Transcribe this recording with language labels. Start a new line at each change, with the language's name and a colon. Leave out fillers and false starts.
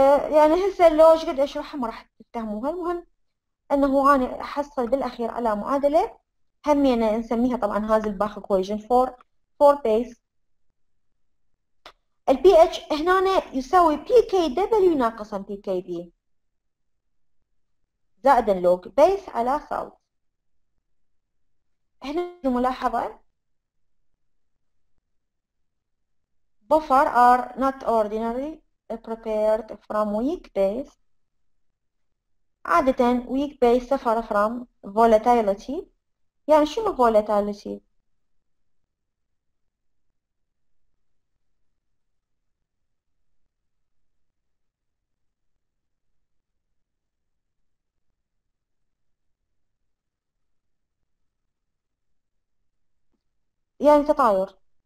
Arabic: يعني هسه لو ايش قد اشرحها ما راح تفهموها. المهم انه انا احصل بالاخير على معادله همينة نسميها طبعا هذا الباخ اكويجن فور بيس. البي اتش هنا يساوي بي كي دبليو ناقصا بي كي بي زائد لوج بيس على سالت. هنا ملاحظه
English: Buffer are not ordinary prepared from weak base.
Arabic: عادة
English: weak base suffer from volatility.
Arabic: يعني شنو volatility؟ يعني تطاير.